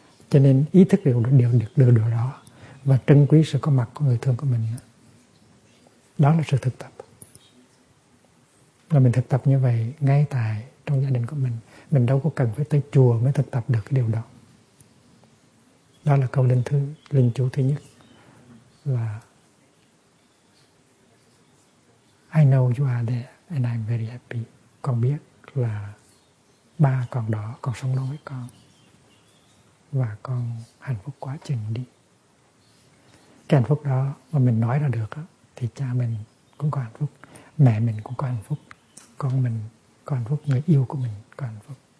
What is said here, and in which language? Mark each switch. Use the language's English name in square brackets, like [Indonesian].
[Vietnamese] Cho nên ý thức điều đó và trân quý sự có mặt của người thương của mình. Đó là sự thực tập. Và mình thực tập như vậy ngay tại trong gia đình của mình. Mình đâu có cần phải tới chùa mới thực tập được cái điều đó. Đó là câu linh chú thứ nhất. [English] Là I know you are there and I'm very happy. [Vietnamese] Con biết là ba còn đó, còn sống lâu với con. Và con hạnh phúc quá chừng đi. Cái hạnh phúc đó mà mình nói ra được đó, thì cha mình cũng có hạnh phúc, mẹ mình cũng có hạnh phúc, con mình có hạnh phúc, người yêu của mình có hạnh phúc.